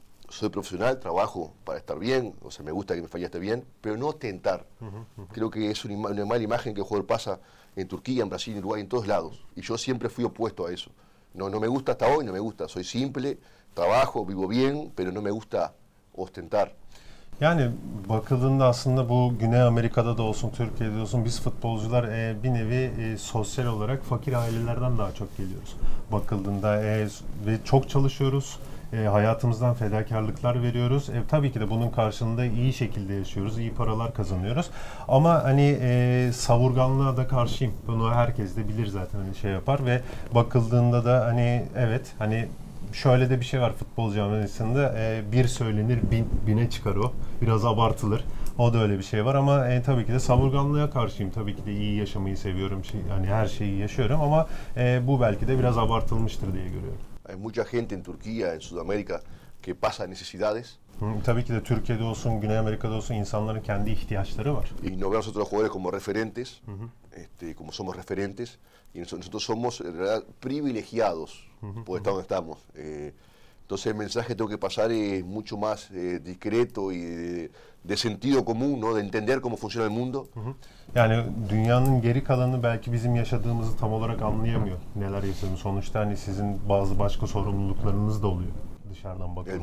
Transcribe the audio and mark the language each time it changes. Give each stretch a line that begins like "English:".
Spanish: Soy profesional, trabajo para estar bien, o sea, me gusta que me fallaste bien, pero no tentar. Uh-huh, uh-huh. Creo que es una mala imagen que el jugador pasa en Turquía, en Brasil, en Uruguay, en todos lados. Y yo siempre fui opuesto a eso. No, no me gusta hasta hoy, no me gusta. Soy simple, trabajo, vivo bien, pero no me gusta ostentar.
Turkish: Yani bakıldığında aslında bu Güney Amerika'da da olsun, Türkiye'de olsun biz futbolcular bir nevi sosyal olarak fakir ailelerden daha çok geliyoruz. Bakıldığında ve çok çalışıyoruz, hayatımızdan fedakarlıklar veriyoruz. Tabii ki de bunun karşılığında iyi şekilde yaşıyoruz, iyi paralar kazanıyoruz. Ama hani savurganlığa da karşıyım. Bunu herkes de bilir zaten hani şey yapar ve bakıldığında da hani evet hani... Şöyle de bir şey var futbol camiasında, bir söylenir bine çıkar o, biraz abartılır, o da öyle bir şey var ama tabii ki de savurganlığa karşıyım, tabii ki de iyi yaşamayı seviyorum, yani her şeyi yaşıyorum ama bu belki de biraz abartılmıştır diye görüyorum.
Spanish: Hay mucha gente en Turquía, en Sudamérica, que pasa necesidades.
Turkish: Tabii ki de Türkiye'de olsun, Güney Amerika'da olsun insanların kendi ihtiyaçları var.
Spanish: Y no vemos otros jugadores como referentes, como somos referentes. Y nosotros somos en realidad privilegiados uh-huh, por estar uh-huh. donde estamos. Entonces el mensaje que tengo que pasar es mucho más discreto y de sentido común, ¿no? De entender cómo funciona el mundo. Uh-huh.
Turkish: Yani dünyanın geri kalanı belki bizim yaşadığımızı tam olarak anlayamıyor. Neler yaşadığımız. Sonuçta hani sizin bazı başka sorumluluklarınız da oluyor dışarıdan bakıldığında.